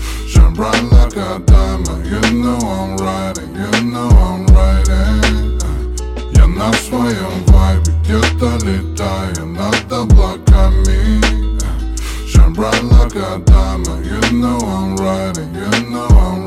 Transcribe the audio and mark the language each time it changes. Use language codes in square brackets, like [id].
[en] Shine bright like a diamond, you know I'm riding, you know I'm riding. [ru] Я на своем вайбе где-то летаю над облаками. [en] Shine bright like a diamond, you know I'm riding, you know I'm riding.